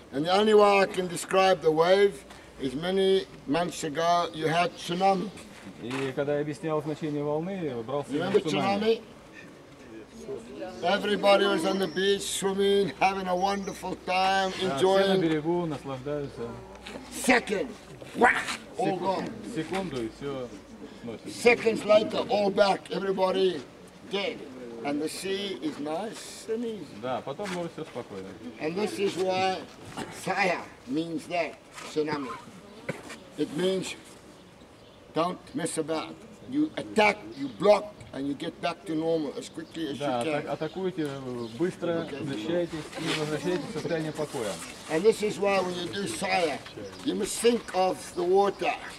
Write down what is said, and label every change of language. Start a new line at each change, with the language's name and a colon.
English: And the only way I can describe the wave is many months ago you had tsunami.
Russian: И когда я объяснял значение волны, брал
English: цунами. Remember tsunami? Everybody was on the beach swimming, having a wonderful time, enjoying.
Russian: Все на берегу наслаждаются.
English: Second. All gone.
Russian: Секунду, и все сносит.
English: Seconds later, all back, everybody dead. And the sea is nice and easy.
Russian: Да, потом море все спокойно.
English: And this is why fire means that, tsunami. It means don't mess about. You attack, you block, and you get back to normal as quickly as
Russian: да,
English: you can.
Russian: Да, атакуйте быстро, защищайтесь и возвращайтесь в состояние покоя.
English: And this is why when you do sire, you must think of the water.